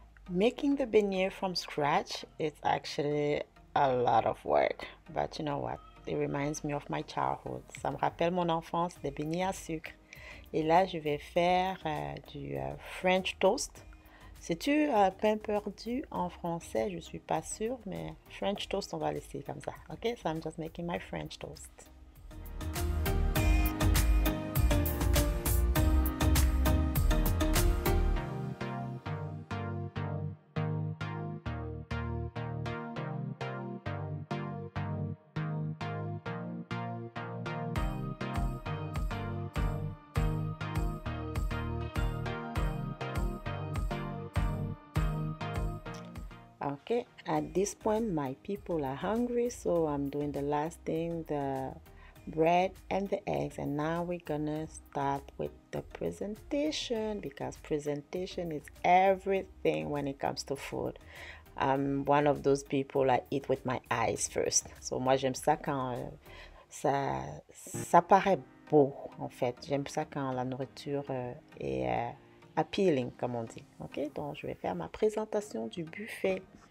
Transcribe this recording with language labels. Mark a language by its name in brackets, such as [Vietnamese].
[English] Making the beignet from scratch, it's actually a lot of work. But you know what? It reminds me of my childhood. [French] Ça me rappelle mon enfance, des beignets à sucre. Et là, je vais faire du French toast. Sais-tu pain perdu en français? Je ne suis pas sûre, mais French toast, on va laisser comme ça. [English] OK? So I'm just making my French toast. Okay, at this point my people are hungry, so I'm doing the last thing, the bread and the eggs, and now we're gonna start with the presentation, because presentation is everything when it comes to food. I'm one of those people, I eat with my eyes first. [French] So moi j'aime ça quand ça paraît beau en fait. J'aime ça quand la nourriture est appealing, comme on dit. Ok, donc je vais faire ma présentation du buffet.